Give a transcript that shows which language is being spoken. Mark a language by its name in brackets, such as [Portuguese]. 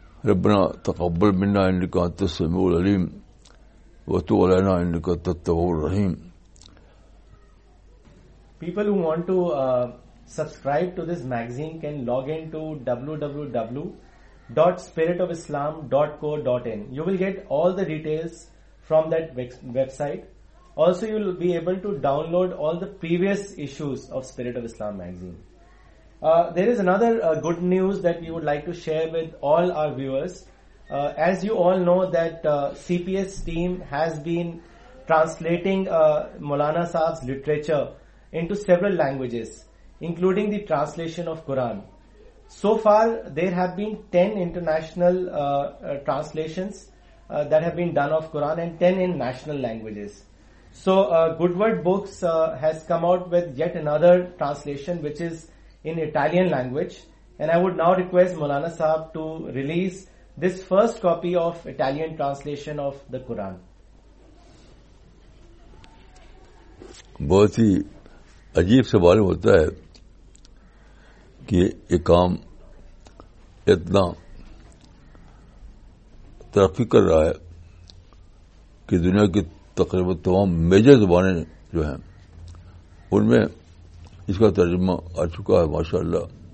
[Arabic] ربنا تقبل منا انك انت السميع العليم وتب علينا انك انت التواب الرحيم. [English] People who want to subscribe to this magazine can log in to www.spiritofislam.co.in. You will get all the details from that website. Also, you will be able to download all the previous issues of Spirit of Islam magazine. There is another good news that we would like to share with all our viewers. As you all know that CPS team has been translating Maulana Sahab's literature into several languages, including the translation of Quran. So far, there have been 10 international translations that have been done of Quran and 10 in national languages. So, Goodword Books has come out with yet another translation, which is in Italian language, and I would now request Maulana Sahab to release this first copy of Italian translation of the Quran. [Urdu] بہت ہی عجیب سوال ہوتا ہے کہ یہ کام اتنا ترقی کر رہا ہے کہ دنیا کی تقریبا تمام میجر زبانیں جو ہیں ان میں اس کا ترجمہ آ چکا ہے ماشاء اللہ.